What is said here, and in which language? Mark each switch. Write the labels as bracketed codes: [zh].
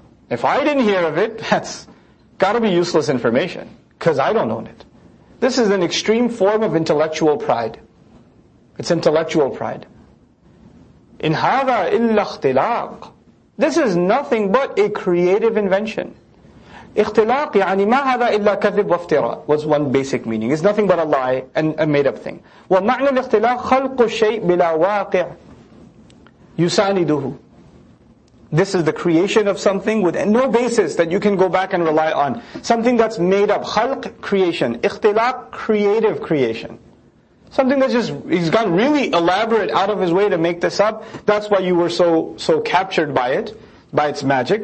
[en] If I didn't hear of it, that's got to be useless information. Because I don't own it. This is an extreme form of intellectual pride. It's intellectual pride. [ar] إِنْ هَذَا إِلَّا اخْتِلَاقٌ. [en] This is nothing but a creative invention. [ar] اختلاق يعني ما هذا إلا كذب وافتراء [en] was one basic meaning. It's nothing but a lie and a made up thing. [ar] ومعنى الاختلاق خلق الشيء بلا واقع يسانده. [en] This is the creation of something with no basis that you can go back and rely on. Something that's made up. خلق creation. اختلاق creative creation. Something that's just, he's gone really elaborate out of his way to make this up. That's why you were so captured by it, by its magic.